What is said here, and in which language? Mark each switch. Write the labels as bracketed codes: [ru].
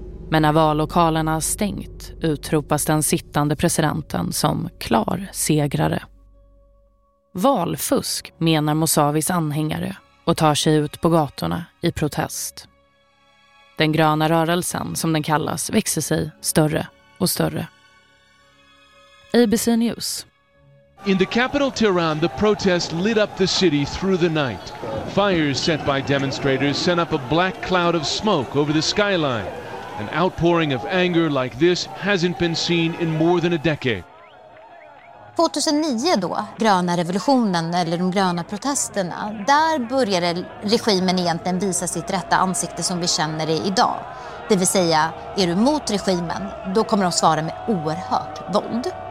[sv] Men när vallokalerna har stängt utropas den sittande presidenten som klar segrare. Valfusk, menar Mousavis anhängare, och tar sig ut på gatorna i protest. Den gröna rörelsen, som den kallas, växer sig större och större. [en] ABC News. In the capital Tehran, the protest lit up the city through the night. Fires set by demonstrators sent up a black cloud of smoke over the skyline. An outpouring of anger like this hasn't been seen in more than a decade. [sv] 2009 då, gröna revolutionen eller de gröna protesterna, där började regimen egentligen visa sitt rätta ansikte som vi känner det idag. Det vill säga, är du mot regimen, då kommer de svara med oerhört våld.